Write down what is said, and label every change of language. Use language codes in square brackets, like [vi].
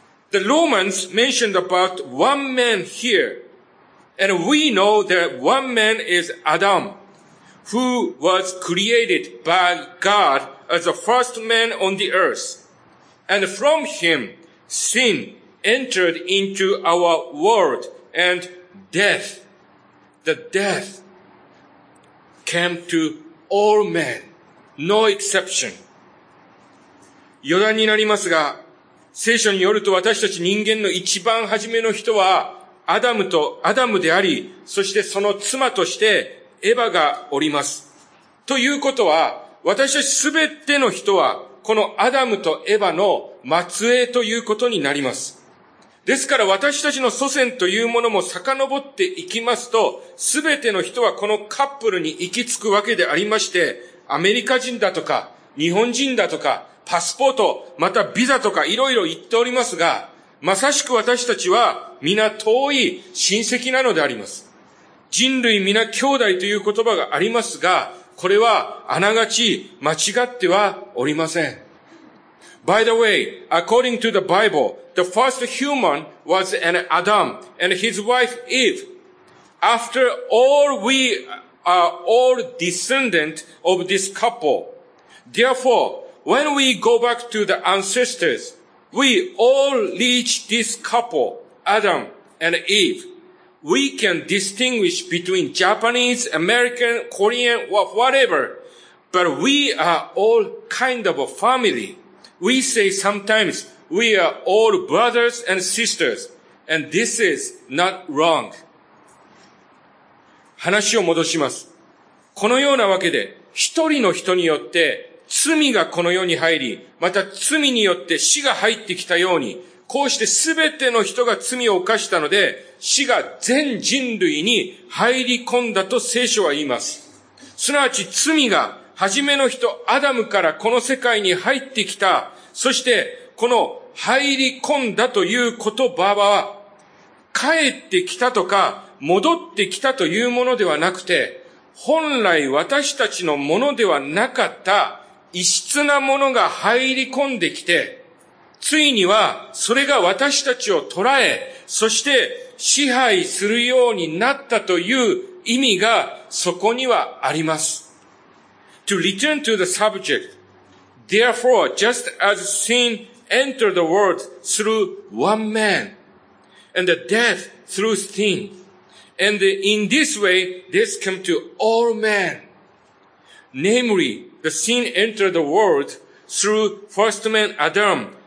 [en] The Romans mentioned about one man here, and we know that one man is Adam, who was created by God as the first man on the earth. And from him, sin entered into our world and death, the death came to all men, no exception. [ja] 余談になりますが、聖書によると私たち人間の一番初めの人はアダムであり、そしてその妻としてエヴァがおります。ということは、私たちすべての人は、このアダムとエヴァの末裔ということになります。ですから私たちの祖先というものも遡っていきますと、すべての人はこのカップルに行き着くわけでありまして、アメリカ人だとか、日本人だとか、パスポート、またビザとかいろいろ言っておりますが、まさしく私たちは皆遠い親戚なのであります。人類皆兄弟という言葉がありますが、これはあながち間違ってはおりません。 [en] By the way, according to the Bible, the first human was an Adam and his wife Eve. After all, we are all descendant of this couple. Therefore, when we go back to the ancestors, we all reach this couple, Adam and Eve. We can distinguish between Japanese, American, Korean, or whatever, but we are all kind of a family. We say sometimes we are all brothers and sisters, and this is not wrong. [ja] 話を戻します。このようなわけで、一人の人によって罪がこの世に入り、また罪によって死が入ってきたように、こうしてすべての人が罪を犯したので、死が全人類に入り込んだと聖書は言います。すなわち罪が初めの人アダムからこの世界に入ってきた、そしてこの入り込んだという言葉は、帰ってきたとか戻ってきたというものではなくて、本来私たちのものではなかった異質なものが入り込んできて、ついにはそれが私たちを捉え、そして支配するようになったという意味がそこにはあります。 [en] To return to the subject, therefore, just as sin entered the world through one man, and the death through sin, and in this way, this came to all men. Namely, the sin entered the world through first man Adam.